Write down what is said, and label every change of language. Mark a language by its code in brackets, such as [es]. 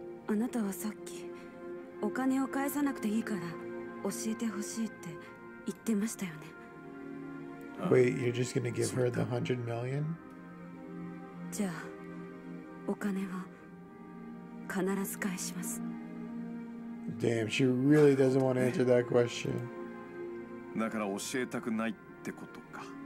[ja] あなたはさっきお金を返さなくていいから教えてほしいって言ってましたよね? [en] Wait, you're just gonna give her the 100 million? [ja] じゃあお金は必ず返します。 [en] Damn, she really doesn't want to answer that question. [ja] だから教えたくないってことか。